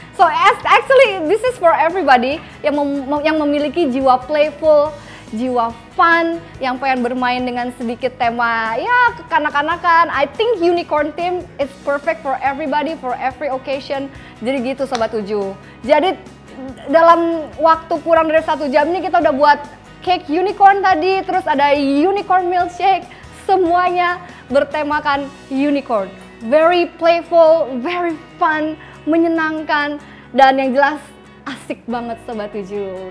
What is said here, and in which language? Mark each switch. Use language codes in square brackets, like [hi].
[en] So actually this is for everybody [id] yang memiliki jiwa playful, jiwa fun, yang pengen bermain dengan sedikit tema ya kekanak-kanakan. [en] I think unicorn theme is perfect for everybody for every occasion. [id] Jadi gitu Sobat 7. Jadi dalam waktu kurang dari 1 jam ini kita udah buat cake unicorn tadi, terus ada unicorn milkshake, semuanya bertemakan unicorn. [en] Very playful, very fun, [id] menyenangkan, dan yang jelas asik banget Sobat 7.